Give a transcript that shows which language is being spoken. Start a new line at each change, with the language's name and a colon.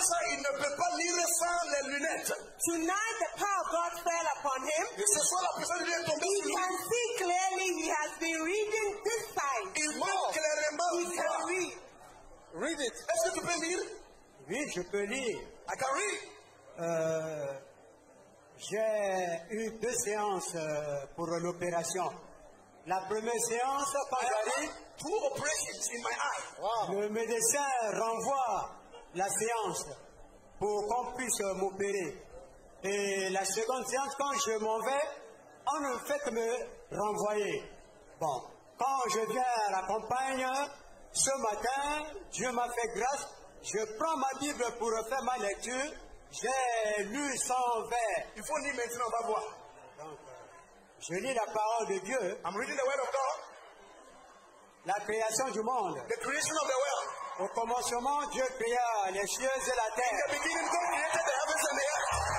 French: Il ne peut pas lire sans les lunettes.
English: Tonight, the power of God fell upon him.
French: Ce soir, la puissance de Dieu est tombée sur lui.
English: He can see clearly, he has been reading this time.
French: Il voit clairement.
English: He can read. Read it.
French: Est-ce que tu peux lire? Oui, je peux lire.
English: I can read.
French: J'ai eu deux séances pour l'opération. La première séance, pas d'arrêt.
English: Two operations in my eye.
French: Le médecin renvoie la séance pour qu'on puisse m'opérer. Et la seconde séance, quand je m'en vais, on ne fait que me renvoyer. Bon, quand je viens à la campagne, ce matin, Dieu m'a fait grâce. Je prends ma Bible pour faire ma lecture. J'ai lu son vers. Il faut lire maintenant, on va voir. Je lis la parole de Dieu.
English: I'm reading the word of God.
French: La création du monde.
English: The creation of the world.
French: Au commencement, Dieu créa les cieux et la terre.
English: In the beginning, God created the heavens and the earth.